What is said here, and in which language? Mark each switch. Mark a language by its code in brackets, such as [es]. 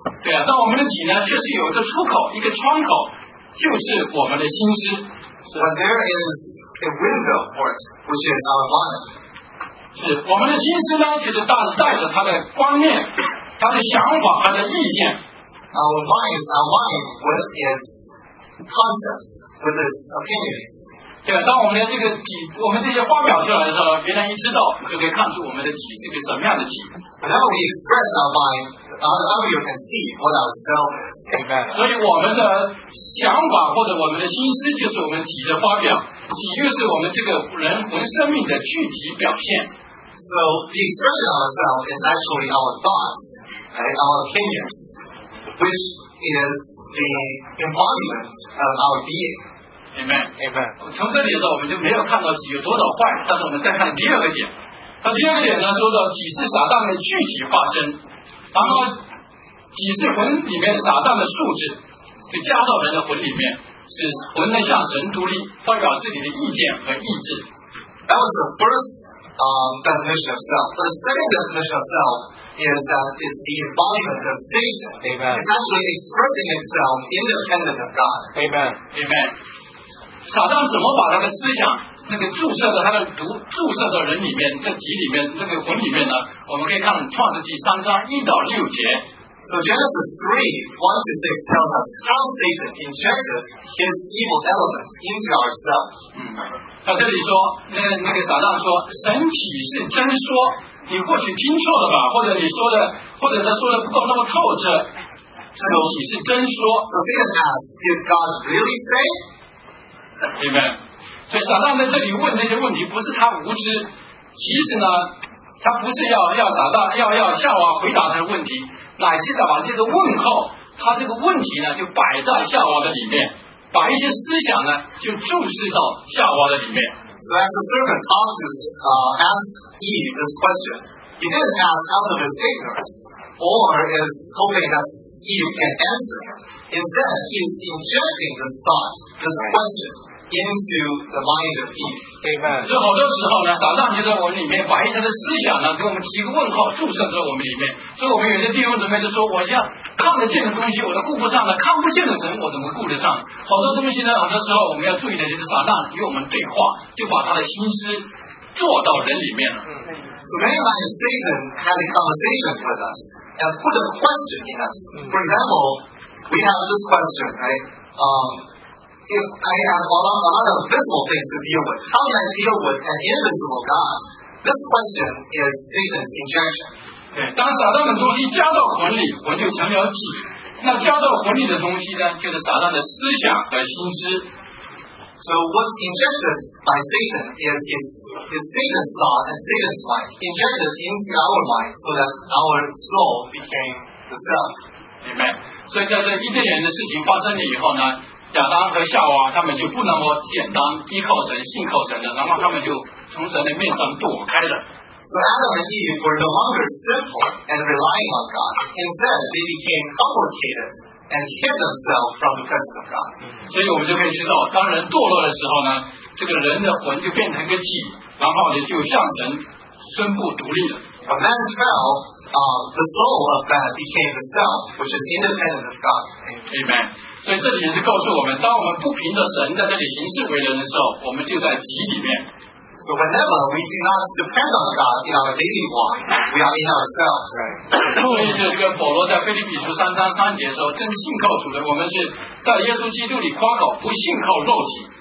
[zh] 对啊，但我们的体呢，确实有一个出口，一个窗口，就是我们的心思。 [en] But there is a window for it, which is our mind. [zh] 是我们的心思呢，就是带着他的观念、他的想法、他的意见。 [en] Our mind is our mind with its concepts, with its opinions. [zh] 对，当我们连这个体，我们这些发表出来的时候，别人一知道，就可以看出我们的体是一个什么样的体。 [en] Now we express our mind, now you can see what our self is. Amen. [zh] 所以我们的想法或者我们的心思就是我们体的发表，体就是我们这个人魂生命的具体表现。 [en] So the expression of ourself is actually our thoughts and our opinions, which is the embodiment of our being. Amen. Amen. [zh] 从这里的时候我们就没有看到体有多少坏，但是我们再看第二个点。那第二个点呢，说到体是撒旦的具体化身，然后体是魂里面撒旦的素质，就加到人的魂里面，使魂能向神独立，发表自己的意见和意志。 [en] That was the first definition of self. The second definition of self is that it's the embodiment of Satan. Amen. It's actually expressing itself independent of God. Amen. Amen. [zh] 撒旦怎么把他的思想那个注射到他的毒注射到人里面，这体里面，这个魂里面呢？我们可以看创世纪三章一到六节。 [en] So Genesis 3:1-6 tells us how Satan injected his evil element into ourselves. [zh] 嗯，他这里说，那个撒旦说，神岂是真说？你或许听错了吧，或者你说的，或者他说的不够那么透彻。神岂是真说 [en] ？So Satan asks, "Did God really say?" Amen. [zh] 所以撒旦在这里问那些问题，不是他无知，其实呢，他不是要撒旦要夏娃回答他的问题，乃是在把这个问号，他这个问题呢，就摆在夏娃的里面，把一些思想呢，就注视到夏娃的里面。 [en] So as the serpent talked to asked Eve this question, he didn't ask out of his ignorance, or is hoping that Eve can answer him. Instead, he is injecting this thought, this question, into the mind of Eve. Amen. [zh] 所以好多时候呢，撒旦就在我们里面把一些的思想呢，给我们提个问号，注射在我们里面。所以我们有些弟兄姊妹就说，我像看得见的东西我都顾不上了，看不见的神我怎么顾得上？好多东西呢，很多时候我们要注意的就是撒旦与我们对话，就把他的心思做到人里面了。 [en] So many times Satan had a conversation with us and put a question in us. For example. We have this question, right? If I have a lot of visible things to deal with, how can I deal with an invisible God? This question is Satan's injection. [zh] 对，当撒旦的东西加到魂里，魂就成了体。那加到魂里的东西呢，就是撒旦的思想和心思。 [en] So what's injected by Satan is Satan's thought and Satan's mind injected into our mind, so that our soul became the self. Amen. [zh] 所以在这伊甸园的事情发生了以后呢，亚当和夏娃他们就不那么简单依靠神、信靠神了，然后他们就从神的面上躲开了。 [en] So Adam and Eve were no longer simple and relying on God. Instead, they became complicated and hid themselves from the presence of God. [zh] 所以我们就可以知道，当人堕落的时候呢，这个人的魂就变成一个体，然后呢就向神宣布独立了。 [en] But man fell. The soul of man became the self, which is independent of God. Amen. [zh] 所以这里也是告诉我们，当我们不凭着神在这里行事为人的时候，我们就在己里面。 [en] So whenever we do not depend on God in our daily walk, we are in ourselves. [zh] 所以这个保罗在腓立比书三章三节说， 真信靠主的，我们是在耶稣基督里夸口，不信靠肉体。